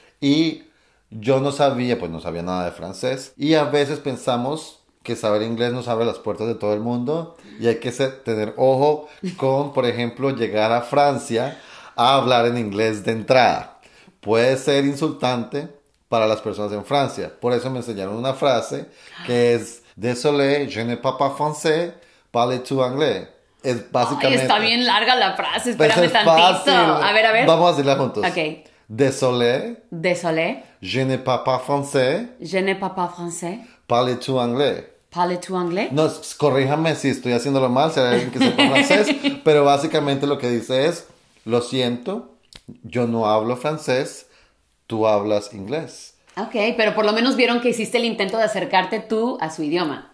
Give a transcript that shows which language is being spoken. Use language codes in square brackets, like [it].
[es] Y yo no sabía, pues no sabía nada de francés. Y a veces pensamos que saber inglés nos abre las puertas de todo el mundo. Y hay que tener ojo con, por ejemplo, llegar a Francia a hablar en inglés de entrada. Puede ser insultante para las personas en Francia. Por eso me enseñaron una frase que es: [fr] désolé, je ne parle pas français, parlez-tu anglais. [es] Es básicamente... Ay, está bien larga la frase, espérame tantito. Fácil. A ver. Vamos a decirla juntos. Ok. [fr] Désolé. Je ne parle pas français. Je ne parle pas français. Parlez-tu anglais. Parlez-tu anglais. [es] No, corríjame si estoy haciéndolo mal, si hay alguien que sepa francés. Pero básicamente lo que dice es, lo siento, yo no hablo francés, tú hablas inglés. Ok, pero por lo menos vieron que hiciste el intento de acercarte tú a su idioma.